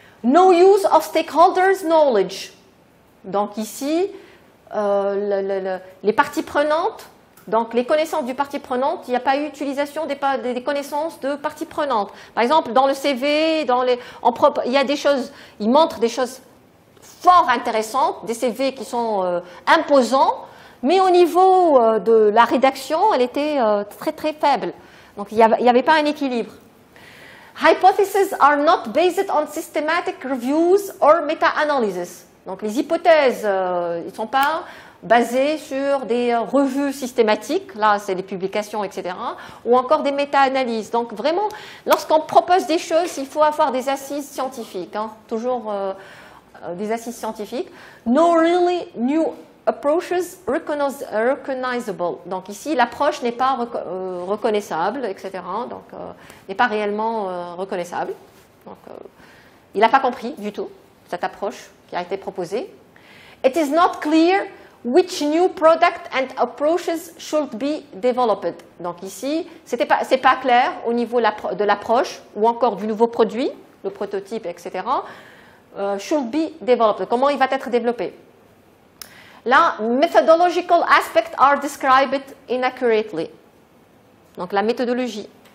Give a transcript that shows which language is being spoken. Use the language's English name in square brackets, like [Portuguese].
[English] No use of stakeholders' knowledge. [French] Donc, ici, les parties prenantes, donc les connaissances du parti prenante, il n'y a pas eu utilisation des connaissances de parties prenantes. Par exemple, dans le CV, il y a des choses, ils montrent des choses fort intéressantes, des CV qui sont imposants, mais au niveau de la rédaction, elle était très très faible. Donc, il n'y avait pas un équilibre. [English] Hypotheses are not based on systematic reviews or meta-analysis. [French] Donc, les hypothèses, elles ne sont pas basées sur des revues systématiques. Là, c'est des publications, etc. Ou encore des méta-analyses. Donc, vraiment, lorsqu'on propose des choses, il faut avoir des assises scientifiques. Hein, toujours des assises scientifiques. [English] No really new approaches recognizable. [French] Donc ici, l'approche n'est pas reconnaissable, etc. Donc, n'est pas réellement reconnaissable. Donc, il n'a pas compris du tout cette approche qui a été proposée. [English] It is not clear which new product and approaches should be developed. [French] Donc ici, c'est pas clair au niveau de l'approche ou encore du nouveau produit, le prototype, etc. [English] Should be developed. [French] Comment il va être développé? Là, [English] methodological aspects are described inaccurately. [French] Donc, la méthodologie.